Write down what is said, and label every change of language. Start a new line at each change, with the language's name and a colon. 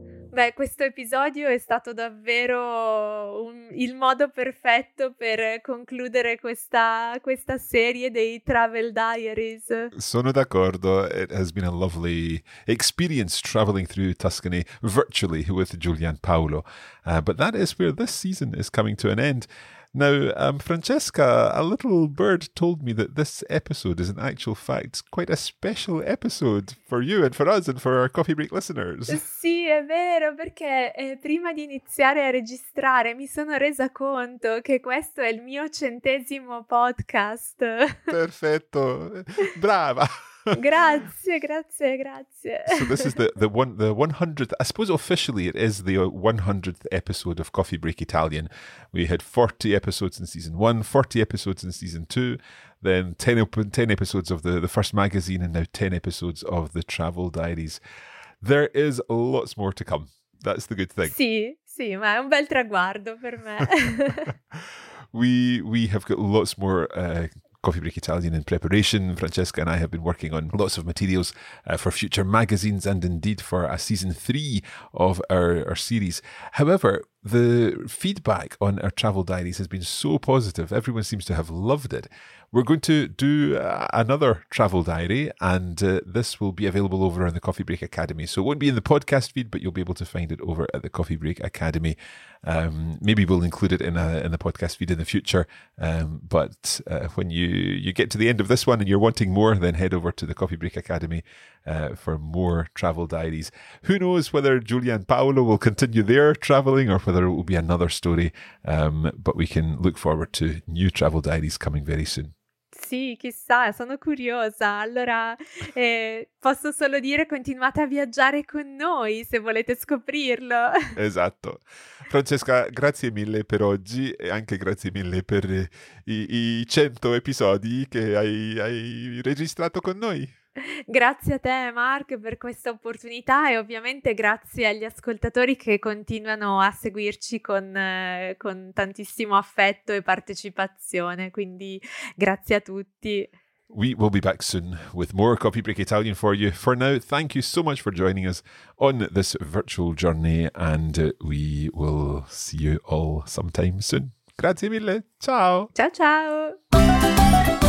Italian: Beh, questo episodio è stato davvero il modo perfetto per concludere questa serie dei Travel Diaries. Sono d'accordo.
English: It has been a lovely experience traveling through Tuscany virtually with Giulia and Paolo. But that is where this season is coming to an end. Now, Francesca, a little bird told me that this episode is, in actual fact, quite a special episode for you and for us and for our Coffee Break listeners.
Italian: Sì, è vero, perché prima di iniziare a registrare mi sono resa conto che questo è il mio 100° podcast. Perfetto, brava. Grazie.
English: So this is the 100th, I suppose officially it is the 100th episode of Coffee Break Italian. We had 40 episodes in season 1, 40 episodes in season 2, then 10 episodes of the first magazine, and now 10 episodes of the Travel Diaries. There is lots more to come. That's the good thing.
Italian: Sì, ma è un bel traguardo per me.
English: We have got lots more Coffee Break Italian in preparation. Francesca and I have been working on lots of materials for future magazines and indeed for a season 3 of our series. However, the feedback on our Travel Diaries has been so positive. Everyone seems to have loved it. We're going to do another Travel Diary, and this will be available over on the Coffee Break Academy. So it won't be in the podcast feed, but you'll be able to find it over at the Coffee Break Academy. Maybe we'll include it in the podcast feed in the future. But when you get to the end of this one and you're wanting more, then head over to the Coffee Break Academy for more Travel Diaries. Who knows whether Giulia and Paolo will continue their traveling or whether it will be another story. But we can look forward to new Travel Diaries coming very soon.
Italian: sì, chissà, sono curiosa. Allora, posso solo dire continuate a viaggiare con noi se volete scoprirlo. Esatto. Francesca, grazie mille per oggi e anche grazie mille per i 100 episodi che hai registrato con noi. Grazie a te, Mark, per questa opportunità e ovviamente grazie agli ascoltatori che continuano a seguirci con tantissimo affetto e partecipazione. Quindi grazie a tutti.
English: We will be back soon with more Coffee Break Italian for you. For now, thank you so much for joining us on this virtual journey and we will see you all sometime soon.
Italian: Grazie mille. Ciao. Ciao, ciao.